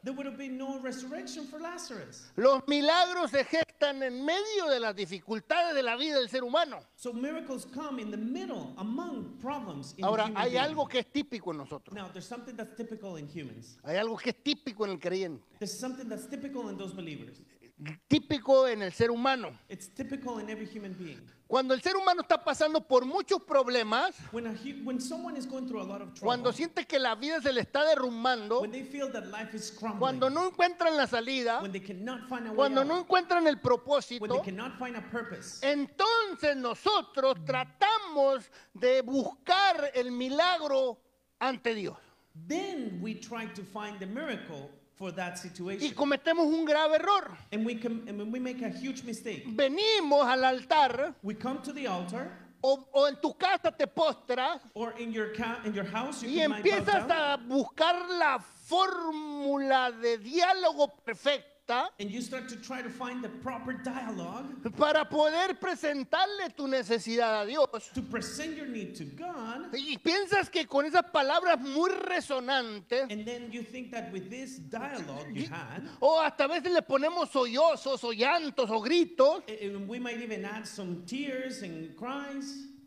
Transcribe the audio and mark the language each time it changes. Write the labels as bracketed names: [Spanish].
[English] There would have been no resurrection for Lazarus. [Spanish] Los milagros se gestan en medio de las dificultades de la vida del ser humano. [English] So miracles come in the middle among problems in [Spanish] Ahora, [English] human [Spanish] hay [English] being. [Spanish] Algo que es típico en nosotros. [English] Now, there's something that's typical in humans. [Spanish] Hay algo que es típico en el creyente. [English] There's something that's typical in those believers. [Spanish] Típico en el ser humano. [English] It's typical in every human being. [Spanish] Cuando el ser humano está pasando por muchos problemas, [English] when someone is going through a lot of trouble, [Spanish] cuando siente que la vida se le está derrumbando, [English] when they feel that life is crumbling, [Spanish] cuando no encuentran la salida, [English] when they cannot find a way [Spanish] cuando [English] out, [Spanish] no encuentran el propósito, [English] when they cannot find a purpose, [Spanish] entonces nosotros tratamos de buscar el milagro ante Dios. [English] Then we try to find the miracle for that situation. [Spanish] Y cometemos un grave error. [English] And we can, and we make a huge mistake. [Spanish] Venimos al altar. [English] We come to the altar. [Spanish] O en tu casa te postras. [English] Or in your house, you [Spanish] y empiezas a buscar la fórmula de diálogo perfecta. [English] And you start to try to find the proper dialogue. [Spanish] Para poder presentarle tu necesidad a Dios. [English] To present your need to God. [Spanish] Y piensas que con esas palabras muy resonantes. [English] And then you think that with this dialogue you had. [Spanish] O hasta a veces le ponemos sollozos o llantos o gritos. [English] And we might even add some tears and cries.